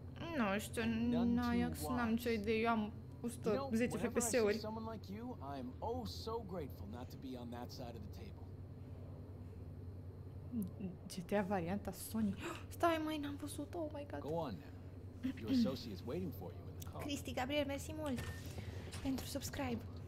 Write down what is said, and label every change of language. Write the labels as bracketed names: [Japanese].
[Romanian] Nu știu, Niox, n-am ce idee, eu am... 110 FPS-uri. [English] Someone like you, I'm oh so grateful not to be on that side of the table. [Romanian] GTA varianta Sony. Stai, mai n-am văzut. [English] Oh my god. Go on now. Your associate's waiting for you in the car. [Romanian] Cristi Gabriel, mersi mult pentru subscribe.